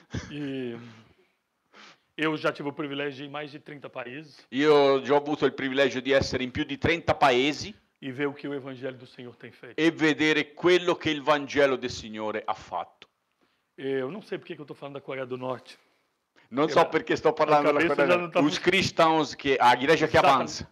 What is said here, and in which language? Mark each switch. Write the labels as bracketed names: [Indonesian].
[Portuguese] E eu já tive o privilégio de ir mais de 30 países. [Italian] Io già ho avuto il privilegio di essere in più di 30 paesi. [Portuguese] E ver o que o evangelho do Senhor tem feito. [Italian] E vedere quello che il Vangelo del Signore ha fatto. [Portuguese] Eu não sei porque que eu tô falando da Coreia do Norte. [Italian] Non so perché sto parlando della Corea. [Portuguese] Os cristãos que a igreja que avança.